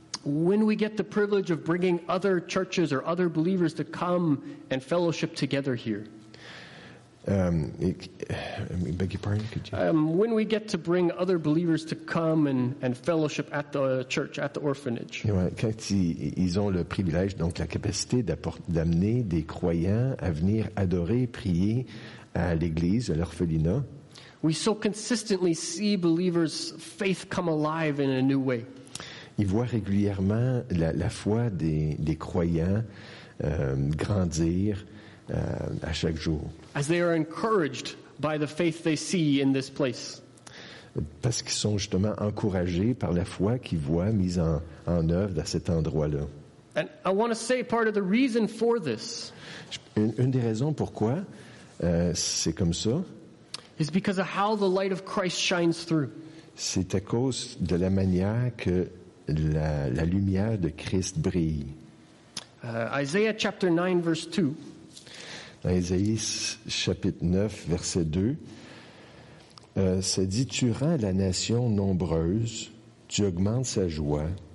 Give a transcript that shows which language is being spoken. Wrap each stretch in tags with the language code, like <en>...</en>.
<en>When we get the privilege of bringing other churches or other believers to come and fellowship together here. Beg your pardon, could you? When we get to bring other believers to come and fellowship at the church, at the orphanage.</en> <fr>Quand ils ont le privilège, donc la capacité d'amener des croyants à venir adorer, prier à l'église, à l'orphelinat.</fr> <en>We so consistently see believers' faith come alive in a new way.</en> <fr>Ils voient régulièrement la foi des croyants grandir à chaque jour.</fr> <en>As they are encouraged by the faith they see in this place.</en> <fr>Parce qu'ils sont justement encouragés par la foi qu'ils voient mise en œuvre dans cet endroit-là.</fr> <en>And I want to say part of the reason for this.</en> <fr>Une des raisons pourquoi c'est comme ça.</fr> <en>Is because of how the light of Christ shines through.</en> <fr>C'est à cause de la manière que la lumière de Christ brille.</fr> <en>Isaiah chapter 9 verse 2.</en> <fr>Isaïe chapitre 9 verset 2. Ça dit, tu rends la nation nombreuse, tu augmentes sa joie.</fr>